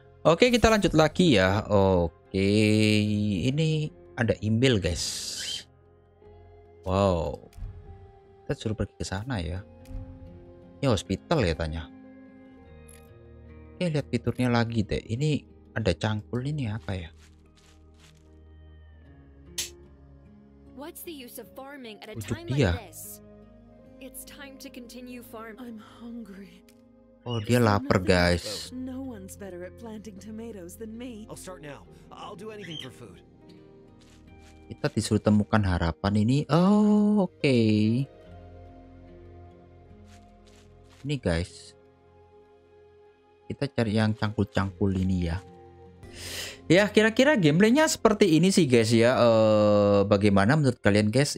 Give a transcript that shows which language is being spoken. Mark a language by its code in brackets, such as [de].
[id] Oke, kita lanjut lagi ya. Oke, ini ada email, guys. Wow, kita suruh pergi ke sana ya. Ini hospital ya, tanya. Oke, lihat fiturnya lagi deh. Ini ada cangkul, ini apa ya? [en] What's the use of farming at a time like this? It's time to continue farm. I'm hungry. Oh, [id] dia lapar, [en] guys. No one's better at planting tomatoes than me. I'll start now. I'll do anything for food. [id] Kita disuruh temukan harapan ini. Oh, oke. Ini, guys. Kita cari yang cangkul-cangkul ini ya. Ya, kira-kira gameplaynya seperti ini sih, guys ya. Bagaimana menurut kalian, guys?